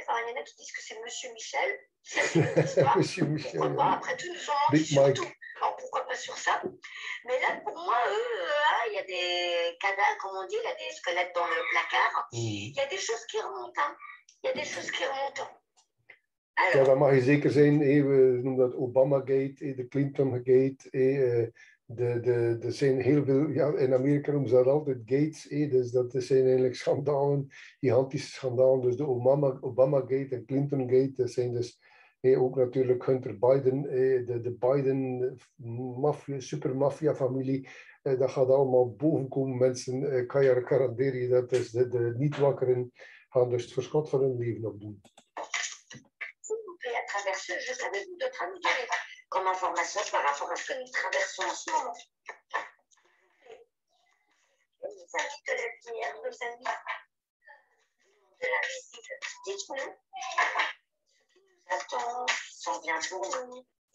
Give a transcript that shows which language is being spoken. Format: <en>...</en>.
<fr>Enfin, il y en a qui disent que c'est monsieur Michel. Monsieur Michel. Pourquoi pas? Après tout, nous sommes Big Mike. Alors, pourquoi pas sur ça? Mais là, pour moi, il y a des cadavres, comme on dit, il y a des squelettes dans le placard. Il y a des choses qui remontent. Il y a des choses qui remontent.</fr> <nl>Alors, ja, dan mag je zeker zijn, we noemen dat Obamagate, de Clintongate, de zijn heel veel, ja, in Amerika noemen ze dat altijd gates, dus dat zijn eigenlijk schandalen, gigantische schandalen, dus de Obamagate en Clintongate, dat zijn dus ook natuurlijk Hunter Biden, de Biden mafia, supermafia familie, dat gaat allemaal bovenkomen, mensen, kan je garanderen je dat, dus de niet wakkeren gaan dus het verschot van hun leven opdoen.</nl> <fr>Et à travers ce jeu, qu'avez-vous d'autre à nous donner comme information par rapport à ce que nous traversons en ce moment? Nos amis de la lumière, nos amis de l'invisible, dites-nous ce qui nous attend, qui sont bien pour nous.</fr>